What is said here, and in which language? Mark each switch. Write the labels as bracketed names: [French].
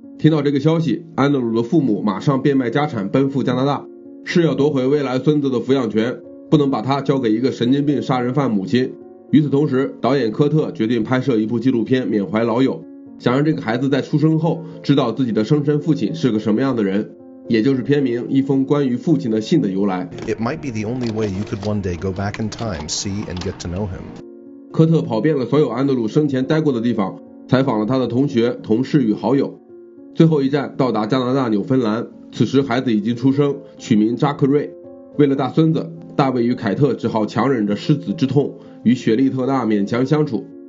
[Chinese] 听到这个消息，安德鲁的父母马上变卖家产奔赴加拿大，誓要夺回未来孙子的抚养权，不能把他交给一个神经病杀人犯母亲。与此同时，导演科特决定拍摄一部纪录片缅怀老友，想让这个孩子在出生后知道自己的生身父亲是个什么样的人，也就是片名《一封关于父亲的信》的由来。 [English] It might be the only way you could one day go back in time, see and get to know him. [Chinese] 科特跑遍了所有安德鲁生前待过的地方，采访了他的同学、同事与好友。最后一站到达加拿大纽芬兰，此时孩子已经出生，取名扎克瑞。为了大孙子，大卫与凯特只好强忍着失子之痛，与雪莉特纳勉强相处。